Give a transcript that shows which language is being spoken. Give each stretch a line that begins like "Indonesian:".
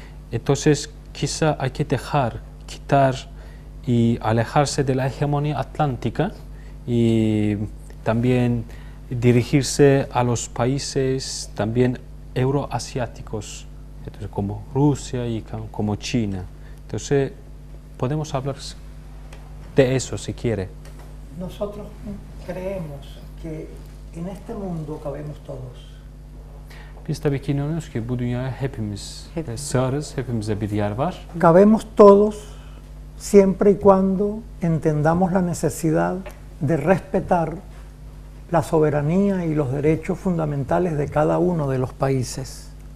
Spanish: Entonces, quizá hay que dejar, quitar y alejarse de la hegemonía atlántica y también dirigirse a los países también euroasiáticos. Entonces, como Rusia y como China. Entonces, podemos hablar de eso, si quiere. Nosotros creemos que en este mundo cabemos todos.
Turkish: Biz tabii ki inanıyoruz ki bu dünyaya hepimiz sığarız, hepimize bir yer var.
Spanish: Cabemos todos siempre y cuando entendamos la necesidad de respetar la soberanía y los derechos fundamentales de cada uno de los países.